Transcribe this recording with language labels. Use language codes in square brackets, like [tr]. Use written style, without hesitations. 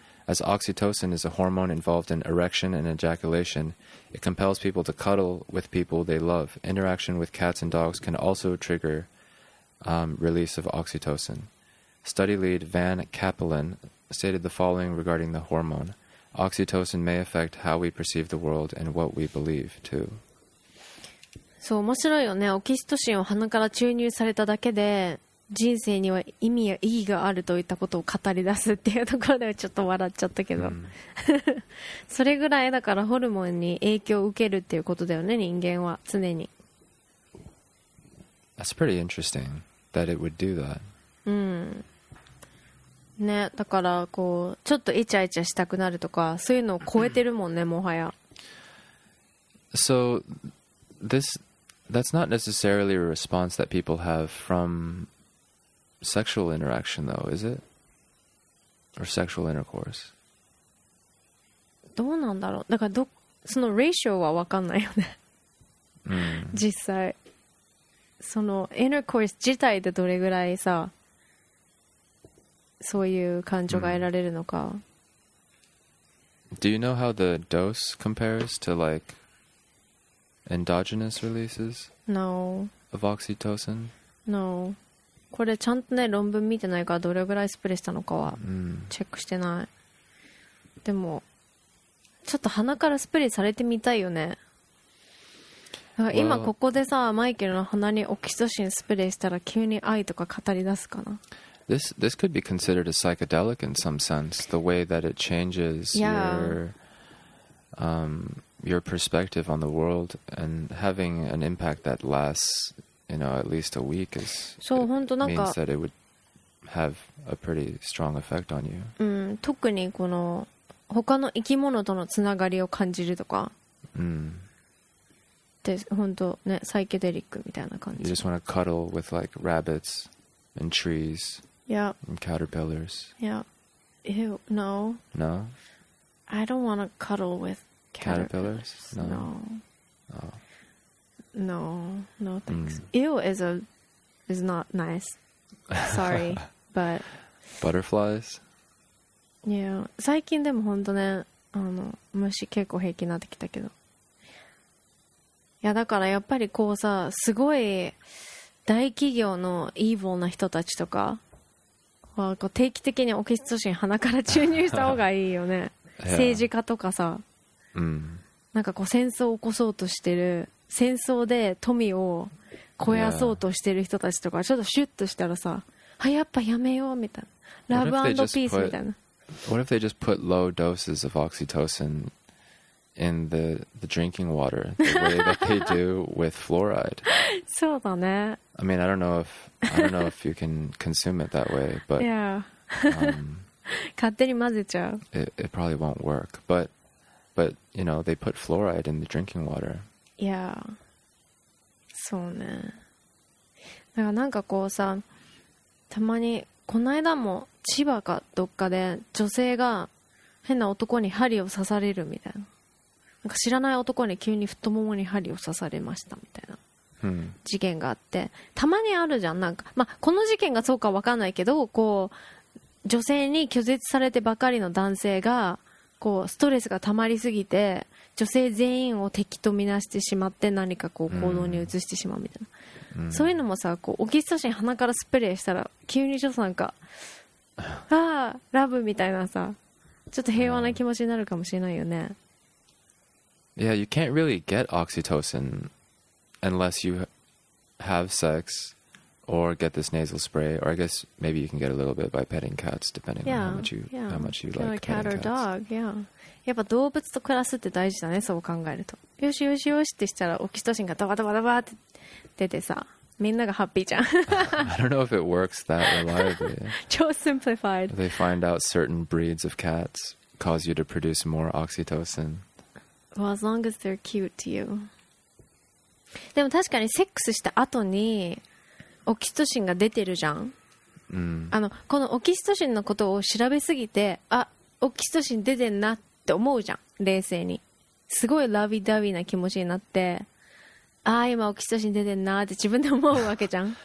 [en] As oxytocin is a hormone involved in erection and ejaculation, it compels people to cuddle with people they love. Interaction with cats and dogs can also trigger release of oxytocin. Study lead Van Kapelen stated the following regarding the hormone. Oxytocin may affect how we perceive the world and what we believe, too. [ja] そう、面白いよね。オキシトシンを鼻から注入されただけで人生には意味や意義があるといったことを語り出すっていうところではちょっと笑っちゃったけど、うん、それぐらいだからホルモンに影響を受けるっていうことだよね、人間は常に。 [en] That's pretty interesting that it would do that. [ja] うん。ね、だからこうちょっとイチャイチャしたくなるとかそういうのを超えてるもんね、もはや。 [en] So this, that's not necessarily a response that people have fromsexual interaction though, is it? Or sexual intercourse? [ja] どうなんだろう。だからその ratio は分かんないよね。実際。その intercourse 自体でどれぐらいさ、そういう感情が得られるのか。 [en] Do you know how the dose compares to like endogenous releases? No. Of oxytocin? No. [ja] これちゃんとね論文見てないからどれぐらいスプレーしたのかはチェックしてない、うん、でもちょっと鼻からスプレーされてみたいよね。だから今ここでさ、well, マイケルの鼻にオキシトシンスプレーしたら急に愛とか語り出すかな。 [en] This could be considered a psychedelic in some sense, the way that it changes、 yeah. your perspective on the world and having an impact that lastsYou know, at least a week is, [ja] そう本当なんか [en] means that it would have a pretty strong effect on you. [ja] うん、特にこの他の生き物とのつながりを感じるとか。うん。で、本当ね、サイケデリックみたいな感じ。 [en] You just want to cuddle with like rabbits and trees. Yeah. And caterpillars. Yeah. Ew. No. No. I don't want to cuddle with caterpillars. Caterpillars? No. No. No thanks. Ew is not nice. Sorry, but butterflies. [ja] Yeah, 最近でも本当ね、あの虫結構平気になってきたけど。いやだからやっぱりこうさ、すごい大企業の evil な人たちとかはこう定期的にオキシトシン鼻から注入した方がいいよね。政治家とかさ、なんかこう戦争を起こそうとしてる。戦争で富を肥やそうとしてる人たちとか、yeah. ちょっとシュッとしたらさ、あやっぱやめようみたいな、ラブ&ピースみたいな。 [en] What if they just put low doses of oxytocin in the drinking water the way that they do with fluoride? [ja] そうだね。 [en] I mean, I don't know if you can consume it that way, but [ja] yeah. 勝手に混ぜちゃう。 [en] It probably won't work, but you know, they put fluoride in the drinking water [ja] いや、そうね。だからなんかこうさ、たまにこの間も千葉かどっかで女性が変な男に針を刺されるみたいな、なんか知らない男に急に太ももに針を刺されましたみたいな事件があって、たまにあるじゃん。なんか、まあ、この事件がそうか分かんないけど、こう女性に拒絶されてばかりの男性がこうストレスが溜まりすぎて女性全員を敵とみなしてしまって何かこう行動に移してしまうみたいな、そういうのもさ、こうオキシトシン鼻からスプレーしたら急にちょっとなんかああラブみたいなさ、ちょっと平和な気持ちになるかもしれないよね。 [en] Yeah, you can't really get oxytocin unless you have sex or get this nasal spray, or I guess maybe you can get a little bit by petting cats depending yeah, on how much you like petting cats. Cat or dog, yeah. [ja] やっぱ動物と暮らすって大事だね、そう考えると。よしよしよしってしたらオキシトシンがダバダバダバって出てさ、みんながハッピーじゃん。 [en] I don't know if it works that reliably. [ja] 超 simplified. [en] They find out certain breeds of cats cause you to produce more oxytocin. Well, as long as they're cute to you. [ja] でも確かにセックスした後にオキシトシンが出てるじゃん、あのこのオキシトシンのことを調べすぎて、あオキシトシン出てんなってって思うじゃん、冷静に。すごいラビダビな気持ちになって、ああ今オキシトシン出てんなって自分で思うわけじゃん。